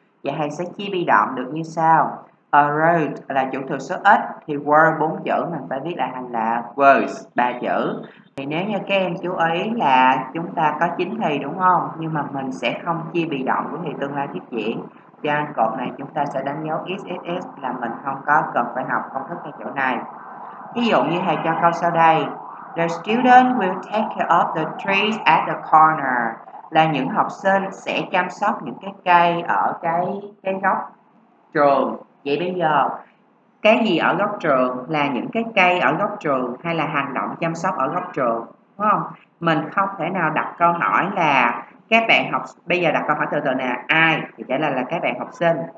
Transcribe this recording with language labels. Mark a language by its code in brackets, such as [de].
[vi] Vậy thầy sẽ chia bị động được như sau. A road là chủ từ số ít, thì were 4 chữ mình phải viết lại thành là was 3 chữ. Thì nếu như các em chú ý là chúng ta có 9 thì đúng không? Nhưng mà mình sẽ không chia bị động của thì tương lai tiếp diễn. Cho nên cột này chúng ta sẽ đánh dấu XXX là mình không có cần phải học công thức ở chỗ này. Ví dụ như thầy cho câu sau đây. [en] The student will take care of the trees at the corner. [vi] Là những học sinh sẽ chăm sóc những cái cây ở cái góc trường. Vậy bây giờ, cái gì ở góc trường? Là những cái cây ở góc trường hay là hành động chăm sóc ở góc trường? Đúng không? Mình không thể nào đặt câu hỏi là các bạn học, bây giờ đặt câu hỏi từ nè, ai thì trả lời là các bạn học sinh.